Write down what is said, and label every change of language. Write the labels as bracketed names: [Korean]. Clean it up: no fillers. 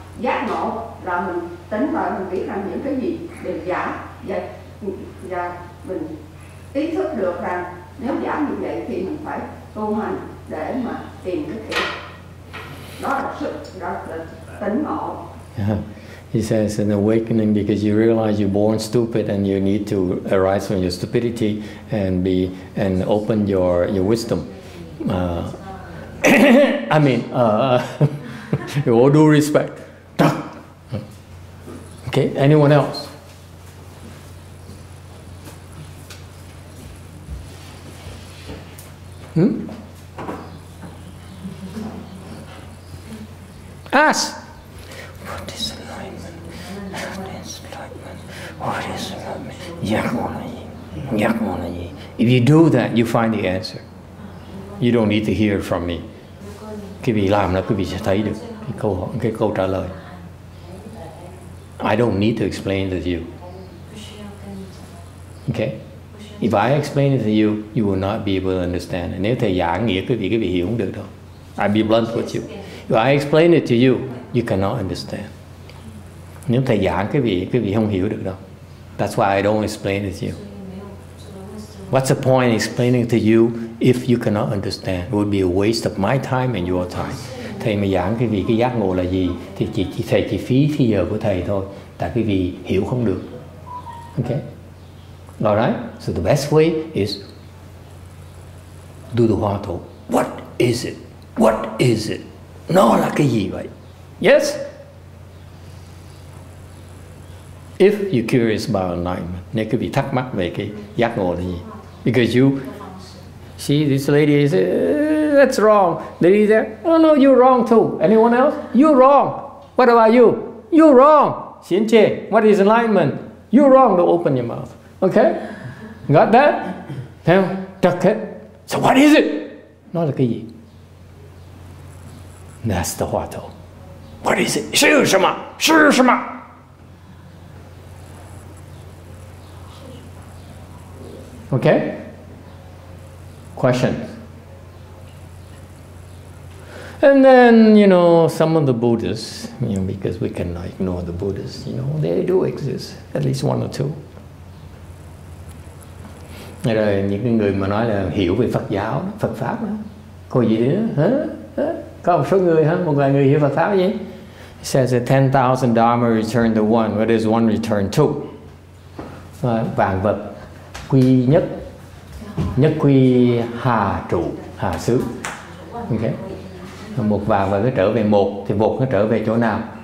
[Vietnamese] Giác ngộ là mình tỉnh lại, mình biết rằng những cái gì đều giả, và mình ý thức được rằng nếu giả như vậy thì mình phải tu hành để mà tìm cái thiện. Đó là sự, đó là tỉnh ngộ. [English] He says an awakening because you realize you're born stupid and you need to arise from your stupidity and be and open your wisdom. I mean, with all due respect. Okay, anyone else? Us. What is enlightenment? What is enlightenment? If you do that, you find the answer. You don't need to hear from me. [Vietnamese] Quý vị làm nó, quý vị sẽ thấy được cái câu trả lời. [English] I don't need to explain it to you. Okay? If I explain it to you, you will not be able to understand. [Vietnamese] Nếu thầy giảng nghĩa quý vị hiểu không được đâu. [English] I'll be blunt with you. If I explain it to you, you cannot understand. [Vietnamese] Nếu thầy giảng quý vị không hiểu được đâu. [English] That's why I don't explain it to you. What's the point in explaining it to you if you cannot understand? It would be a waste of my time and your time. [Vietnamese] Thầy mà giảng quý vị cái giác ngộ là gì thì thầy chỉ phí thì giờ của thầy thôi. Tại quý vị hiểu không được. [English] Okay? Alright, so the best way is do the HuaTou. What is it? What is it? [Vietnamese] Nó là cái gì vậy? [English] Yes? If you're curious about enlightenment, [Vietnamese] nếu quý vị thắc mắc về cái giác ngộ là gì? [English] Because you see this lady is that's wrong. Lady there, oh no, you're wrong too. Anyone else? You're wrong. What about you? You're wrong. Xin chê, what is enlightenment? You're wrong to open your mouth. Okay? Got that? Now, duck it. So what is it? [Vietnamese] Nó là cái gì? [English] That's the HuaTou. What is it? [Chinese] 是什么?是什么? [English] Okay? Question. And then, you know, some of the Buddhists, you know, because we cannot ignore the Buddhists, you know, they do exist, at least one or two. [Vietnamese] Rồi những người mà nói là hiểu về Phật giáo, Phật pháp đó. Có gì nữa? Hả? Có một số người hả? Một vài người hiểu Phật pháp gì? [English] It says that 10,000 dharma return to one, what is one return to? [Vietnamese] Vạn vật quy nhất, nhất quy hà trụ, hà xứ. Okay. Một vạn vật nó trở về một, thì một nó trở về chỗ nào?